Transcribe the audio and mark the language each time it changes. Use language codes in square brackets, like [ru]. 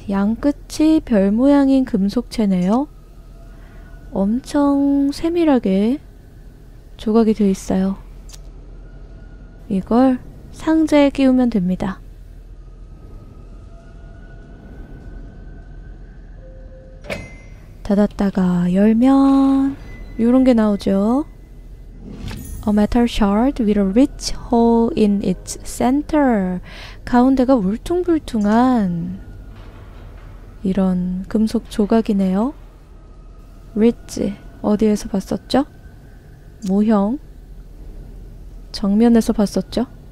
[ko] 양끝이 별 모양인 금속체네요. 엄청 세밀하게 조각이 되어 있어요. 이걸 상자에 끼우면 됩니다. 닫았다가 열면 요런 게 나오죠. [en] A metal shard with a rich hole in its center. [ko] 가운데가 울퉁불퉁한 이런 금속 조각이네요. Rich, 어디에서 봤었죠? 모형, 정면에서 봤었죠?